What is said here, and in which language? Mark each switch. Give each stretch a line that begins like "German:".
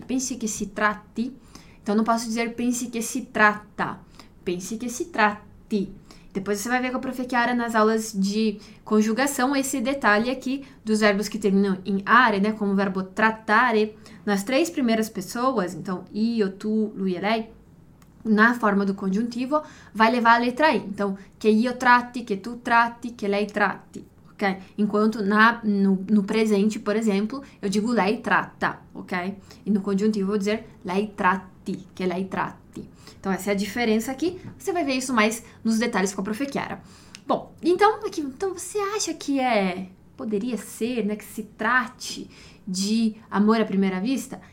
Portuguese: Pense que si tratti, então não posso dizer pense que si tratta, pense que si tratti. Depois você vai ver com a Prof. Chiara nas aulas de conjugação esse detalhe aqui dos verbos que terminam em are, né? Como o verbo trattare, nas três primeiras pessoas, então io, tu, lui e lei, na forma do conjuntivo, vai levar a letra I. Então,
Italian: che io tratti, che tu tratti, che lei tratti, ok?
Portuguese: Enquanto no presente, por exemplo, eu digo
Italian: lei tratta,
Portuguese: ok? E no conjuntivo eu vou dizer
Italian: lei tratti, che lei tratti.
Portuguese: Então, essa é a diferença aqui. Você vai ver isso mais nos detalhes com a Prof. Chiara. Bom, então aqui, então você acha que poderia ser, né, que se trate de amor à primeira vista?